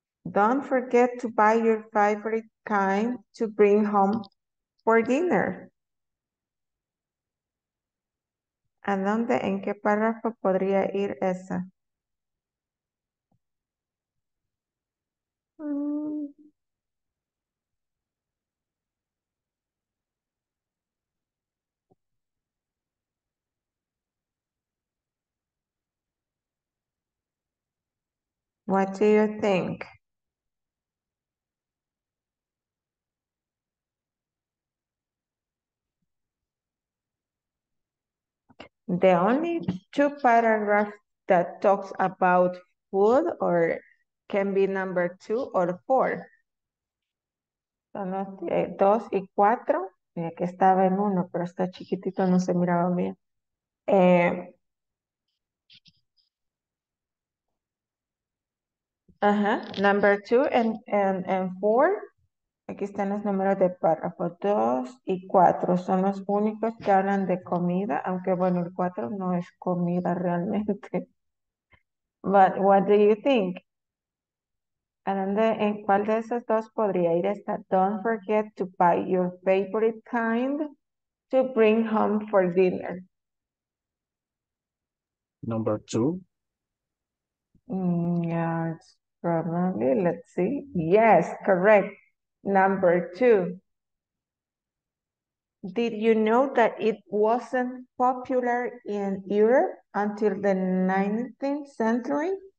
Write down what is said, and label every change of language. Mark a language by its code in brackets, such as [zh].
[en] Don't forget to buy your favorite kind to bring home for dinner. [es] ¿A dónde, en qué párrafo podría ir esa? [en] What do you think? The only two paragraphs that talks about food or can be number two or four. [es] Son los dos y cuatro. Mira que estaba en uno, pero está chiquitito, no se miraba bien. [en] Number two and four. [es] Aquí están los números de párrafo 2 y 4. Son los únicos que hablan de comida, aunque bueno, el 4 no es comida realmente. [en] But what do you think? [es] ¿En cuál de esos dos podría ir esta? [en] Don't forget to buy your favorite kind to bring home for dinner. Number 2? Yes, probably. Let's see. Yes, correct. Number two, did you know that it wasn't popular in Europe until the 19th century?